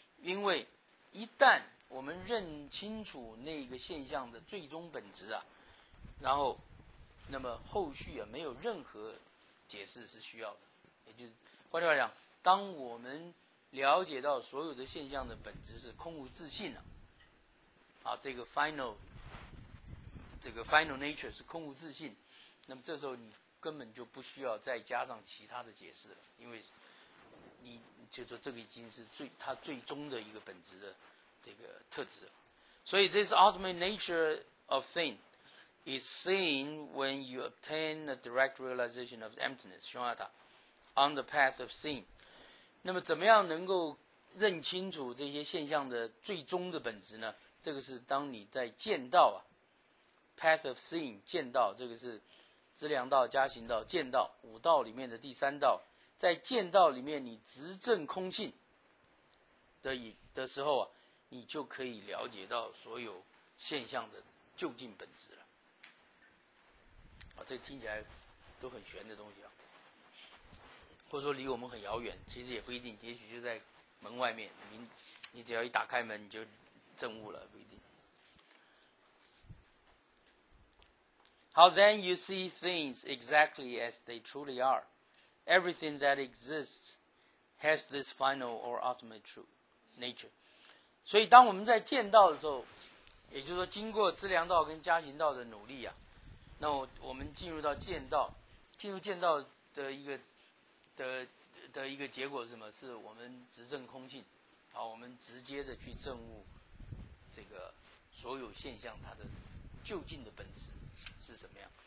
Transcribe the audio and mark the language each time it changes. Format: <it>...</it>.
<zh>因为一旦我们认清楚那个现象的最终本质啊，然后那么后续啊没有任何解释是需要的，也就是换句话讲，当我们了解到所有的现象的本质是空无自性了、啊啊，这个 final nature 是空无自性，那么这时候你根本就不需要再加上其他的解释了，因为你就说这个已经是它最终的一个本质的这个特质了。</zh> <en>所以 this ultimate nature of thing is seen when you obtain a direct realization of emptiness, shunyata, on the path of seeing.</en> <zh>那么怎么样能够认清楚这些现象的最终的本质呢？这个是当你在见到啊 path of seeing 见到，这个是知量道加行道见到五道里面的第三道，在见到里面你直证空性的时候啊，你就可以了解到所有现象的究竟本质了。啊，这听起来都很玄的东西啊，或者说离我们很遥远，其实也不一定，也许就在门外面，你只要一打开门你就证悟了，不一定。</zh> <en>How then you see things exactly as they truly are? Everything that exists has this final or ultimate true nature.</en> <zh>所以当我们在见道的时候，也就是说经过资粮道跟加行道的努力啊，那我们进入到见道，进入见道的一个结果是什么？是我们直证空性，好，我们直接的去证悟这个所有现象它的究竟的本质是什么样。</zh>